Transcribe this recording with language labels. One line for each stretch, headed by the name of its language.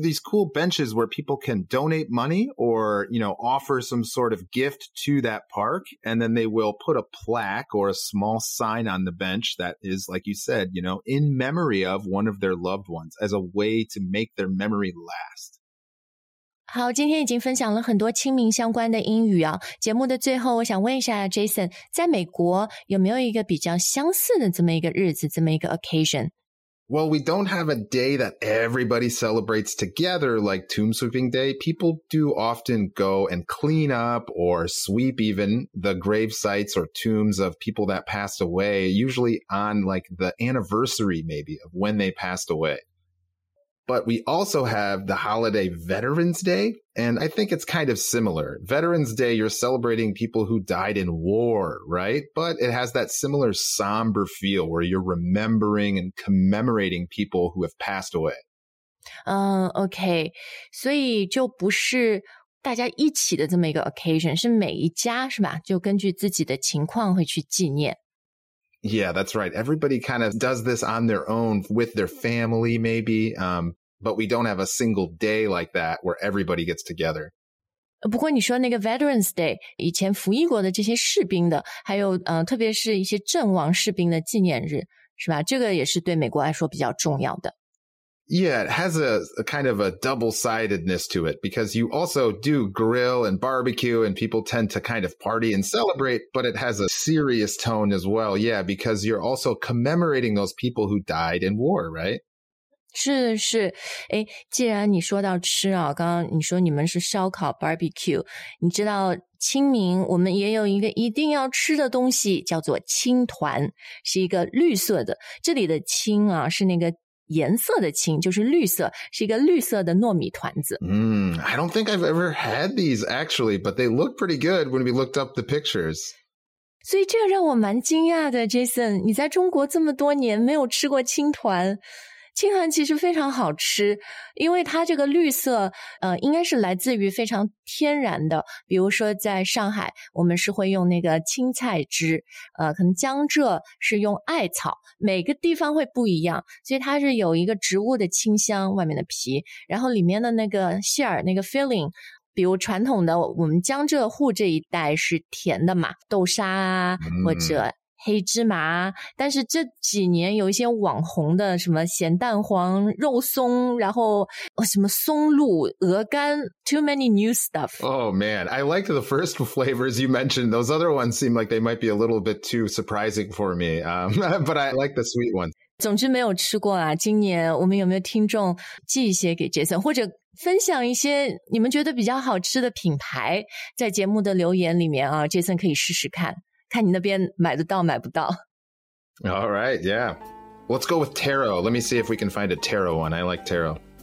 English: These cool benches where people can donate money or, you know, offer some sort of gift to that park. And then they will put a plaque or a small sign on the bench that is, like you said, you know, in memory of one of their loved ones as a way to make their memory last.
Chinese: 好，今天已经分享了很多清明相关的英语啊。节目的最后我想问一下 Jason, 在美国有没有一个比较相似的这么一个日子，这么一个 occasion?
English: Well, we don't have a day that everybody celebrates together like Tomb Sweeping Day. People do often go and clean up or sweep even the grave sites or tombs of people that passed away, usually on like the anniversary maybe of when they passed away. But we also have the holiday Veterans Day, and I think it's kind of similar. Veterans Day, you're celebrating people who died in war, right? But it has that similar somber feel where you're remembering and commemorating people who have passed away.
Chinese: Okay. 所以就不是大家一起的这么一个 occasion, 是每一家是吧？就根据自己的情况会去纪念。
English: Yeah, that's right. Everybody kind of does this on their own with their family, maybe. But we don't have a single day like that where everybody gets together.
Chinese: 不过你说那个 Veterans Day, 以前服役过的这些士兵的还有特别是一些阵亡士兵的纪念日是吧这个也是对美国来说比较重要的。
English: Yeah, it has a kind of a double-sidedness to it because you also do grill and barbecue and people tend to kind of party and celebrate, but it has a serious tone as well. Yeah, because you're also commemorating those people who died in war, right?
Chinese: 是是，诶，既然你说到吃啊，刚刚你说你们是烧烤 barbecue, 你知道清明我们也有一个一定要吃的东西叫做青团，是一个绿色的，这里的青啊是那个颜色的青就是绿色是一个绿色的糯米团子。
English: I don't think I've ever had these actually, but they look pretty good when we looked up the pictures.
Chinese: 所以这个让我蛮惊讶的 Jason, 你在中国这么多年没有吃过青团。青团其实非常好吃因为它这个绿色应该是来自于非常天然的比如说在上海我们是会用那个青菜汁可能江浙是用艾草每个地方会不一样所以它是有一个植物的清香外面的皮然后里面的那个馅儿那个 filling, 比如传统的我们江浙沪这一带是甜的嘛豆沙啊或者黑芝麻但是这几年有一些网红的什么咸蛋黄肉松然后什么松露鹅肝
English: too many new stuff. Oh man, I liked the first flavors you mentioned. Those other ones seem like they might be a little bit too surprising for me. But I like the sweet ones.
Chinese: 总之没有吃过啊今年我们有没有听众寄一些给 Jason, 或者分享一些你们觉得比较好吃的品牌在节目的留言里面啊 Jason 可以试试看。看你那边买得到买不到。
English: All right, yeah. Let's go with taro. Let me see if we can find a taro one. I like taro.